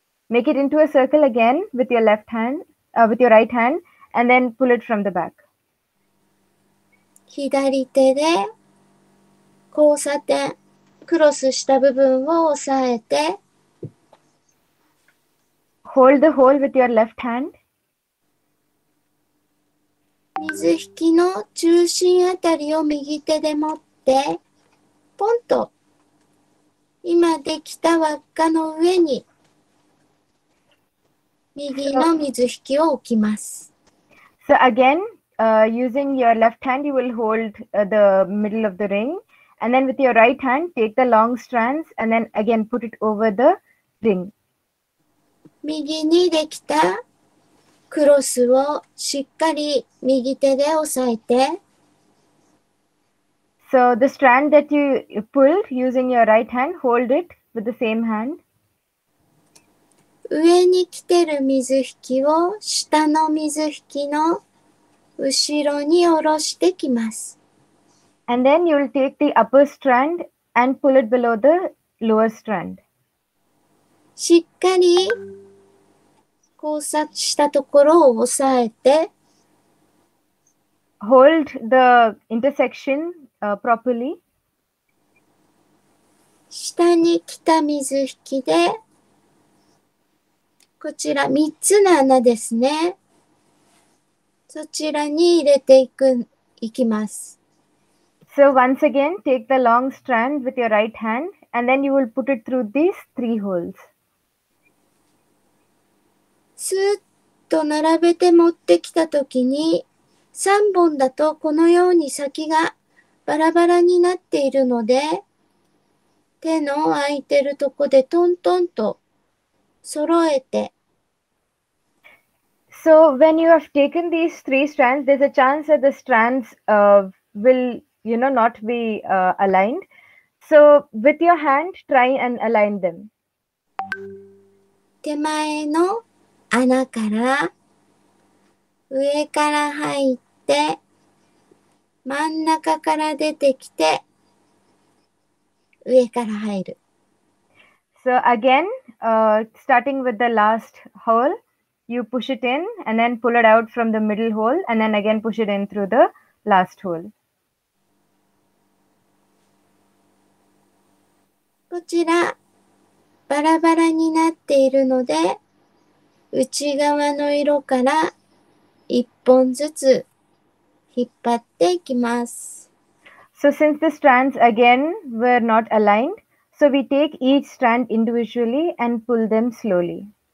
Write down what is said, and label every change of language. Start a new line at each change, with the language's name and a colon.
English: Make it into a circle again with your left hand, with your right hand, and then pull it from the back.
Japanese: 左手で交差点、クロスした部分を押さえて。
English: Hold the hole with your left hand.
Japanese: 水引きの中心あたりを右手で持って、ポンと今できた輪っかの上に、
English: So again, using your left hand, you will hold the middle of the ring. And then with your right hand, take the long strands and then again put it over the ring.
Japanese: 右にできたクロスをしっかり右手で押さえて。
English: So the strand that you pulled using your right hand, hold it with the same hand.
Japanese: 上に来てる水引きを下の水引きの後ろに下ろしてきます。
English: And then you'll take the upper strand and pull it below the lower strand.
Japanese: しっかり交差したところを押さえて。
English: Hold the intersection, properly.
Japanese: 下に来た水引きでこちら三つの穴ですね。そちらに入れていく、いきます。
English: So once again, take the long strand with your right hand and then you will put it through these three holes.
Japanese: スーッと並べて持ってきたときに、3本だとこのように先がバラバラになっているので、手の空いてるとこでトントンと揃えて。
English: So when you have taken these three strands, there's a chance that the strands will, you know, not be aligned. So with your hand, try and align them.
Japanese: 手前の穴から上から入って真ん中から出てきて上から入る。
English: So again, starting with the last hole, you push it in and then pull it out from the middle hole and then again push it in through the last hole.
Japanese: こちらバラバラになっているので内側の色から一本ずつ引っ張っていきます。
English: So since the strands again were not aligned, so we take each strand individually and pull them slowly.